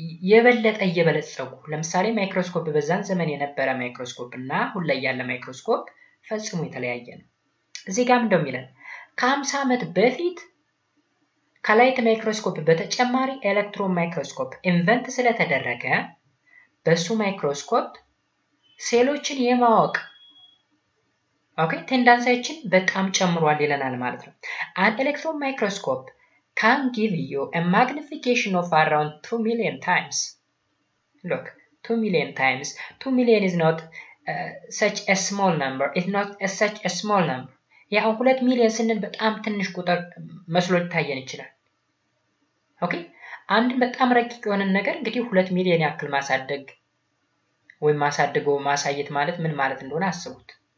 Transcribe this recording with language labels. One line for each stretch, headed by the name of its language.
Amharic: የበለጠ እየበለጸጉ ለምሳሌ ማይክሮስኮፕ በዛን ዘመን የነበረ ማይክሮስኮፕ እና አሁን ላይ ያለ ማይክሮስኮፕ ፈጽሞ የተለያየ ነው። እዚህ ጋር እንደውም ይላል ከ50 አመት በፊት ከላይት ማይክሮስኮፕ በተጨማሪ ኤሌክትሮን ማይክሮስኮፕ ኢንቨንት ስለተደረገ በሱ ማይክሮስኮፕ ሴሎችን የማወቅ ኦኬ ቴንደንሳችን በጣም ጨምሯል ይለናል ማለት ነው።
English: አን ኤሌክትሮን ማይክሮስኮፕ can give you a magnification of around 2 million times. Look, 2 million times. 2 million is not such a small number. It's not such a small number.
Amharic: ያ 2 ሚሊዮን ስንል በጣም ትንሽ ቁጥር መስሎ ይታየን ይችላል። ኦኬ? አንድ በጣም ረቂቅ የሆነ ነገር እንግዲህ 2 ሚሊዮን ያክል ማሳደግ ወይ ማሳደገው ማሳየት ማለት ምን ማለት እንደሆነ አስቡት።